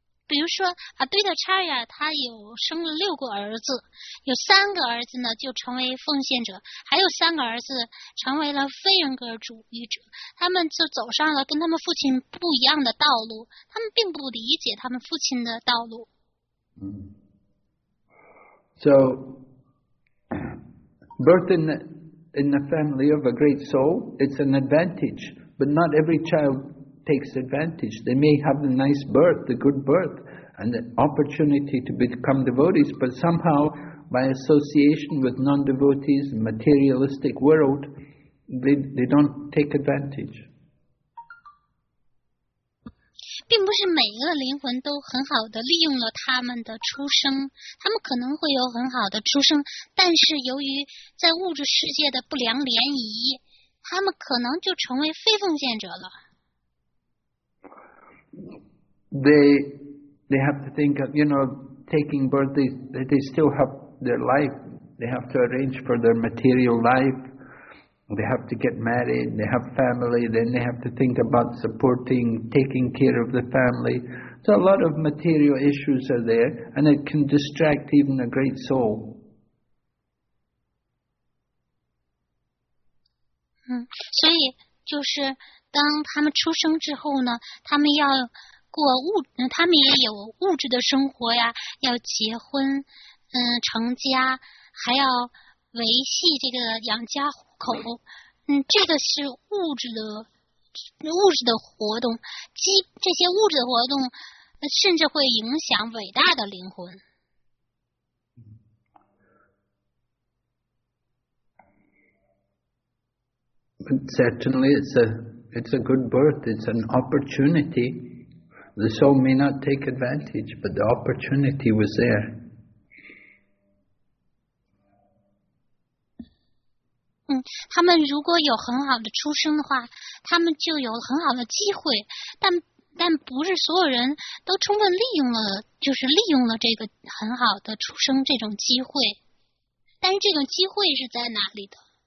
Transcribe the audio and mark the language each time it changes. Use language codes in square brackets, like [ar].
[zh] 比如说啊，对的，查亚他有生了六个儿子，有三个儿子呢就成为奉献者，还有三个儿子成为了非人格主义者。他们就走上了跟他们父亲不一样的道路，他们并不理解他们父亲的道路。 [en] So, birth in the family of a great soul, it's an advantage. But not every child takes advantage. They may have the nice birth, the good birth, and the opportunity to become devotees. But somehow, by association with non-devotees, materialistic world, they don't take advantage. [zh] 并不是每一个灵魂都很好的利用了他们的出生，他们可能会有很好的出生，但是由于在物质世界的不良联谊，他们可能就成为非奉献者了。 [en] They have to think of, you know, taking birth, they still have their life. They have to arrange for their material life. They have to get married, they have family, then they have to think about supporting, taking care of the family. So a lot of material issues are there, and it can distract even a great soul. [zh] 所以就是当他们出生之后呢，他们要过物，他们也有物质的生活呀，要结婚，成家，还要维系这个养家口，这个是物质的活动，这些物质的活动甚至会影响伟大的灵魂。 [en] But certainly it's a good birth, it's an opportunity. The soul may not take advantage, but the opportunity was there. [zh] 他们如果有很好的出生的话，他们就有很好的机会，但不是所有人都充分利用了，就是利用了这个很好的出生这种机会。但是这种机会是在哪里的？